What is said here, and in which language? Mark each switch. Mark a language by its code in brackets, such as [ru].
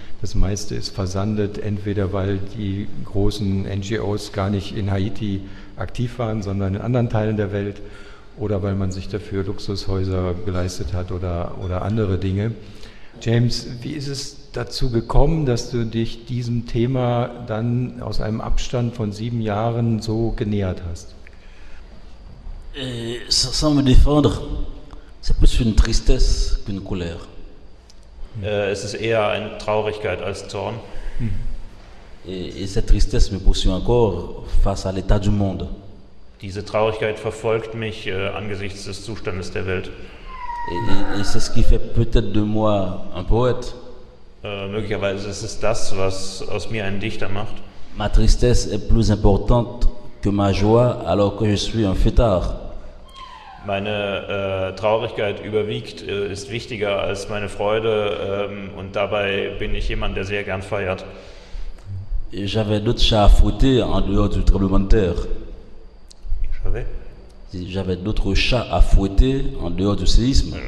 [de] Das meiste ist versandet, entweder weil die großen NGOs gar nicht in Haiti aktiv waren, sondern in anderen Teilen der Welt, oder weil man sich dafür Luxushäuser geleistet hat oder andere Dinge. James, wie ist es dazu gekommen, dass du dich diesem Thema dann aus einem Abstand von 7 Jahren so genähert hast? [fr] Sans me défendre, c'est plus une tristesse qu'une colère. [de] Es ist eher eine Traurigkeit als Zorn. [fr] Et cette tristesse me poursuit encore face à l'état du monde. [de] Diese Traurigkeit verfolgt mich angesichts des Zustandes der Welt. [fr] Et c'est ce qui fait peut-être de moi un poète. [de] Möglicherweise ist es das, was aus mir einen Dichter macht. [fr] Ma tristesse est plus importante que ma joie alors que je suis un fêtard. [de] Meine Traurigkeit überwiegt, ist wichtiger als meine Freude und dabei bin ich jemand, der sehr gern feiert. [fr] J'avais d'autres chats à fouetter en dehors du tremblement de terre. J'avais d'autres chats à fouetter en dehors du séisme.